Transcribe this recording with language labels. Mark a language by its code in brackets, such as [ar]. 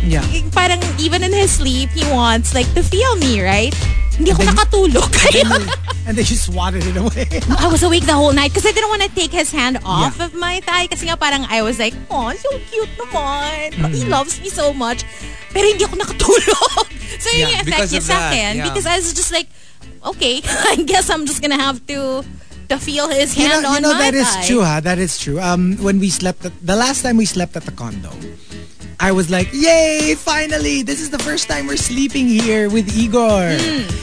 [en] yeah. Parang even in his sleep, he wants, like, to feel me, right? [tl] Hindi ako nakatulog. [en] And then you swatted it away. I was awake the whole night because I didn't want to take his hand off of my thigh. [tl] Kasi nga parang [en] I was like, oh, so cute naman. Mm-hmm. He loves me so much. [tl] Pero hindi ako nakatulog. So yung effect niya sa akin. [en] Because I was just like, okay, I guess I'm just gonna have to feel his hand on my thigh. You know, that thigh. Is true, huh? That is true. When we slept, the last time we slept at the condo, I was like, yay, finally, this is the first time we're sleeping here with Igor. Mm.